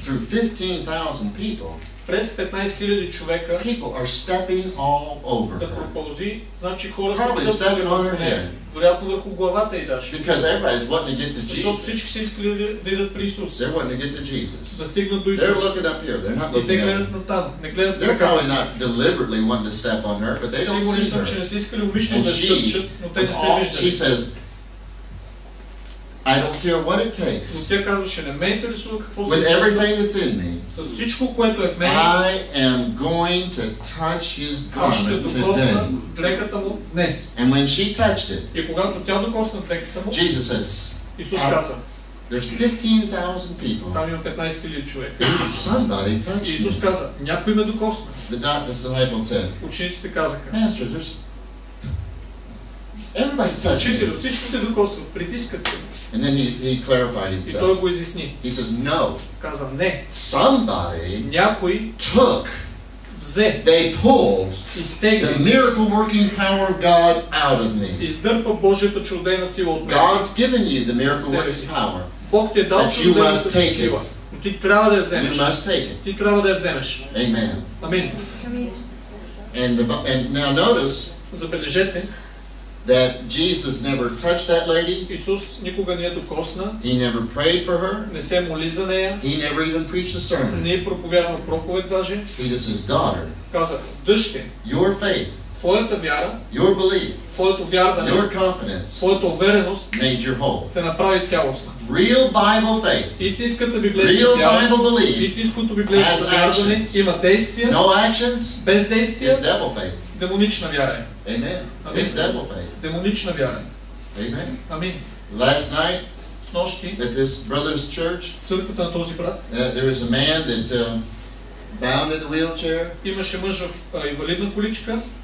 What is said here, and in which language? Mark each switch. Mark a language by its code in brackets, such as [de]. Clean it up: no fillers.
[en] through 15,000 people, [bg] през 15 000 човека [en] people are stepping all over [bg] да проповзи, значи хора са стъпили върху нея. Вероятно върху главата и даже. [en] Because everybody's wanting to get to Jesus. [bg] Защото всички са искали да идат при Исус. [en] They're wanting to get to Jesus. [bg] Да стигнат до Исус. [en] They're looking up here. They're not looking at them. [bg] Там. Не гледат [en] they're probably си. Not deliberately wanting to step on her, but they don't [bg] сигурни [en] see her. [bg] Че не са искали умишлено да стъпчат, но те не се виждали. [en] She says, I don't care what it takes. [bg] Тя казваше, не ме интересува какво [en] with everything that's in me. [bg] С всичко, което е в мен. [en] I am going to touch his garment today. [bg] Дрехата му днес. [en] And when she touched it. [bg] И когато тя докосна дрехата му. [en] Jesus says. [bg] Исус каза. [en] There's 15,000 people. [bg] Там има 15,000 човек. [en] Somebody touched. [bg] Исус каза, някой ме докосна. [en] The disciples said. [bg] Учениците казаха. [en] Master, there's everybody's touching. [bg] Учителю, всички те докосват, притискат те. [en] And then he clarified himself. [bg] И той го изясни. [en] He says no. [bg] Каза не. [en] Somebody [bg] някой [en] took. [bg] Взе. [en] They pulled. [bg] Изтегли. [en] The miracle working power of God out of me. [bg] Издърпа Божията чудесна сила от мен. [en] God's given you the miracle working power. [bg] Бог ти е дал чудесната сила. Но ти трябва да я вземеш. [en] You must take it. [bg] Ти трябва да я вземеш. [en] Amen. [bg] Амин. [en] And now notice. [bg] Забележете. [en] That Jesus never touched that lady. [bg] Исус никога не я докосна. [en] He never prayed for her. [bg] Не се моли за нея. [en] He never even preached a sermon. [bg] Не е проповядал проповед даже. [en] He just says, daughter. [bg] Каза, дъще. [en] Your faith. [bg] Твоята вяра. [en] Your belief. [bg] Твоето вярване. [en] Your confidence. [bg] Твоята увереност. [en] Made your whole. [bg] Те направи цялостна. [en] Real Bible faith. [bg] Истинската библейска вяра. Истинското библейско вярване има действия. [en] No actions. [bg] Без действия. [en] Is devil faith. [bg] Демонична вяра е. [en] Amen. It's devil faith. [bg] Демонична вяра. [en] Amen. Last night, [bg] с нощи, [en] at this brother's church, [bg] църквата на този брат, [en] there is a man that bound in the wheelchair. [bg] Имаше мъж в инвалидна количка.